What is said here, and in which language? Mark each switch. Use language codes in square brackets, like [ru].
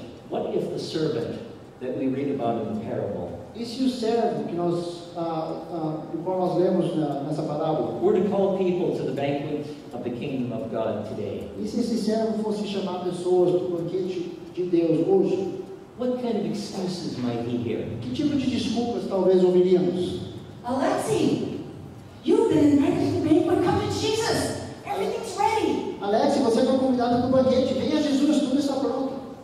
[en] What if the servant that we read about in the parable? [pt] E se o servo que nós, qual nós lemos nessa parábola? [en] Were to call people to the banquet of the kingdom of God today? [pt] E se esse servo fosse chamar pessoas para o banquete de Deus hoje? [en] What kind of excuses might he hear? [pt] Que tipo de desculpas talvez ouviríamos? [en] Alexei, you've been invited to the banquet. Come to Jesus. Everything's ready. [pt] Alexei, você foi convidado para o banquete. Venha a Jesus, tudo está pronto.